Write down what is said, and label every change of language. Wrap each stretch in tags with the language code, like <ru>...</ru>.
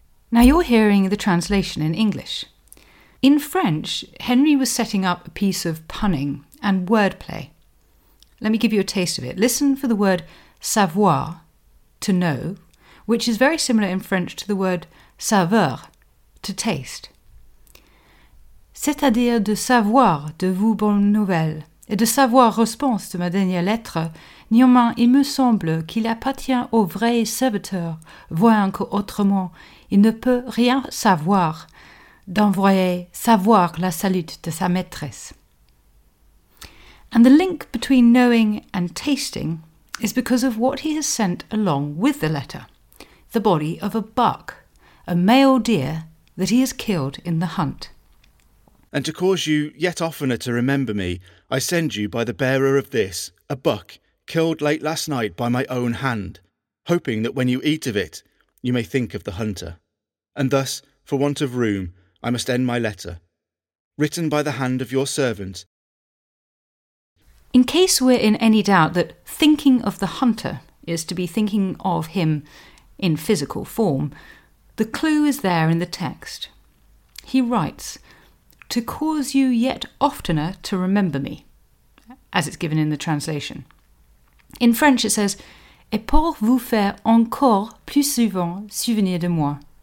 <en>Now you're hearing the translation in English. In French, Henry was setting up a piece of punning and wordplay. Let me give you a taste of it. Listen for the word savoir, to know, which is very similar in French to the word saveur, to taste.</en> <fr>C'est-à-dire de savoir de vos bonnes nouvelles et de savoir réponse de ma dernière lettre, néanmoins il me semble qu'il appartient au vrai serviteur, voire qu'autrement, il ne peut rien savoir. D'envoyer savoir la salute de sa maîtresse.</fr> <en>And the link between knowing and tasting is because of what he has sent along with the letter, the body of a buck, a male deer that he has killed in the hunt. And to cause you yet oftener to remember me, I send you by the bearer of this, a buck, killed late last night by my own hand, hoping that when you eat of it, you may think of the hunter. And thus, for want of room, I must end my letter, written by the hand of your servant. In case we're in any doubt that thinking of the hunter is to be thinking of him in physical form, the clue is there in the text. He writes, to cause you yet oftener to remember me, as it's given in the translation. In French it says,</en> <fr>et pour vous faire encore plus souvent souvenir de moi.</fr>